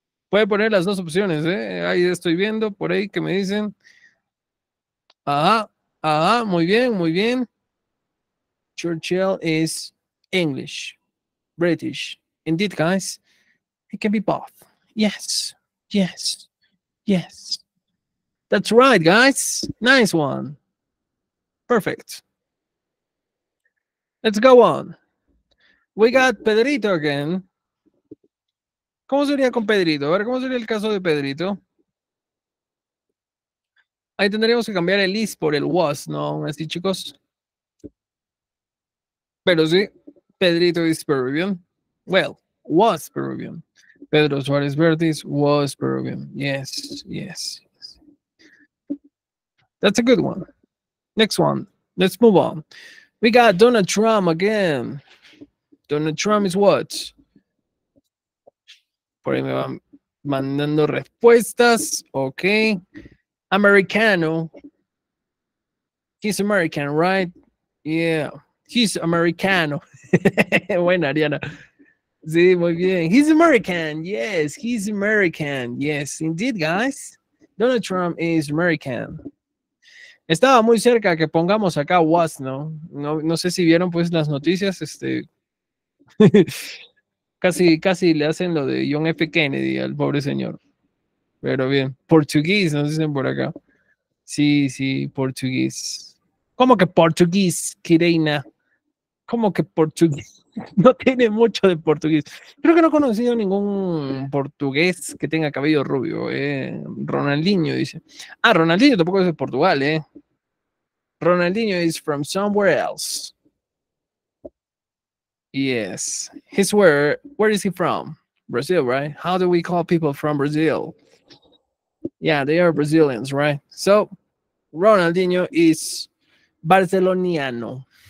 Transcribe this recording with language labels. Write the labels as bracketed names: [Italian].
[Spanish] Puede poner las dos opciones, ¿eh? Ahí estoy viendo por ahí que me dicen. Ajá. Ajá. Muy bien. Muy bien. [English] Churchill is English, British. Indeed, guys, it can be both. Yes, yes, yes. That's right, guys. Nice one. Perfect. Let's go on. We got Pedrito again. [Spanish] ¿Cómo sería con Pedrito? A ver, ¿cómo sería el caso de Pedrito? Ahí tendríamos que cambiar el is por el was, ¿no? Así, chicos. Pero sí, [English] Pedrito is Peruvian. Well, was Peruvian. Pedro Suárez Vértiz was Peruvian. Yes, yes, yes. That's a good one. Next one. Let's move on. We got Donald Trump again. Donald Trump is what? [Spanish] Por ahí me van mandando respuestas. Okay. [English] Americano. He's American, right? Yeah, he's Americano. [Spanish] Bueno, [English] Ariana. [Spanish] Sí, muy bien. [English] He's American. Yes, he's American. Yes, indeed, guys. Donald Trump is American. [Spanish] Estaba muy cerca que pongamos acá was, ¿no? No, no sé si vieron pues las noticias, casi le hacen lo de John F. Kennedy al pobre señor. Pero bien, portugués, nos dicen por acá. Sí, sí, portugués. ¿Cómo que portugués, Kireina? ¿Cómo que portugués? No tiene mucho de portugués. Creo que no he conocido ningún portugués que tenga cabello rubio, ¿eh? Ronaldinho dice. Ah, Ronaldinho tampoco es de Portugal, ¿eh? [English] Ronaldinho is from somewhere else. Yes. He's where is he from? Brazil, right? How do we call people from Brazil? Yeah, they are Brazilians, right? So, Ronaldinho is Barceloniano.